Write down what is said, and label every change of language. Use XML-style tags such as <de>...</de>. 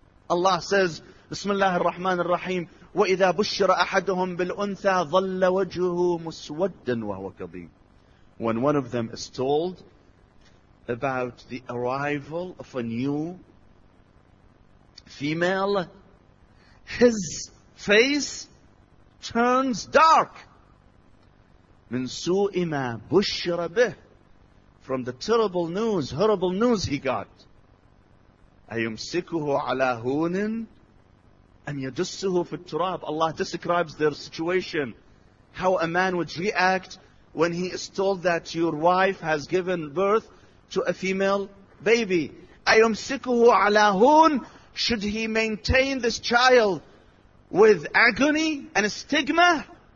<en>Allah says,</en> <ar>Bismillah ar-Rahman ar-Rahim, وَإِذَا بُشِّرَ أَحَدُهُمْ بِالْأُنْثَى ظَلَّ وَجْهُهُ مُسْوَدًّا وَهُوَ كَظِيمٌ.</ar> <en>When one of them is told about the arrival of a new female, his face turns dark.</en> <ar>مِنْ سُوءِ مَا بُشِّرَ بِهِ.</ar> <en>From the terrible news, horrible news he got.</en> <ar>أَيُمْسِكُهُ عَلَى هُونٍ أَمْ يَدُسُّهُ فِي التُّرَابِ.</ar> <en>Allah describes their situation. How a man would react when he is told that your wife has given birth to a female baby.</en> <ar>أَيُمْسِكُهُ عَلَى هُونٍ.</ar> <en>Should he maintain this child with agony and stigma?</en>